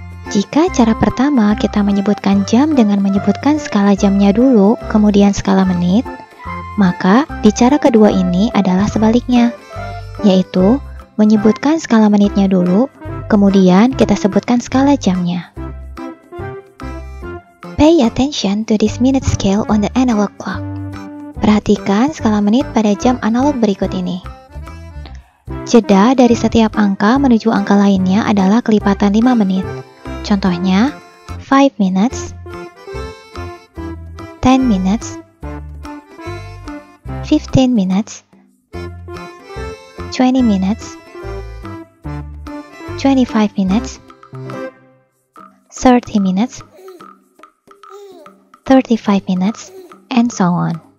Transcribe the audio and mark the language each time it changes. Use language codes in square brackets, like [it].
[id] Jika cara pertama kita menyebutkan jam dengan menyebutkan skala jamnya dulu, kemudian skala menit, maka di cara kedua ini adalah sebaliknya, yaitu menyebutkan skala menitnya dulu, kemudian kita sebutkan skala jamnya. [en] Pay attention to this minute scale on the analog clock. [id] Perhatikan skala menit pada jam analog berikut ini. Jeda dari setiap angka menuju angka lainnya adalah kelipatan 5 menit. [en] Contohnya, 5 minutes, 10 minutes, 15 minutes, 20 minutes, 25 minutes, 30 minutes, 35 minutes, and so on.